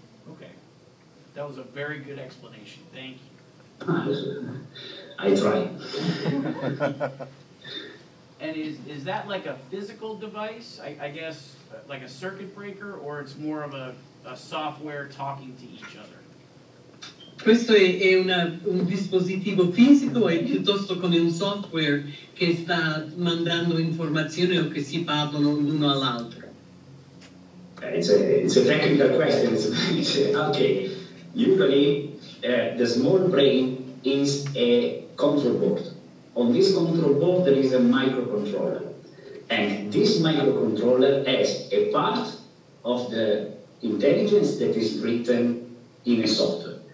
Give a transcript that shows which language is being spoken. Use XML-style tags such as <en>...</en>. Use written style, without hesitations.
<en>Okay, that was a very good explanation, thank you. I try. And is that like a physical device, I guess, like a circuit breaker, or it's more of a software talking to each other?</en> <it>Questo è un dispositivo fisico e piuttosto come un software che sta mandando informazioni o che si parlano l'uno all'altro.</it> <en>It's a technical question. Okay. Usually, the small brain is a control board. On this control board there is a microcontroller. And this microcontroller has a part of the intelligence that is written in a software.</en>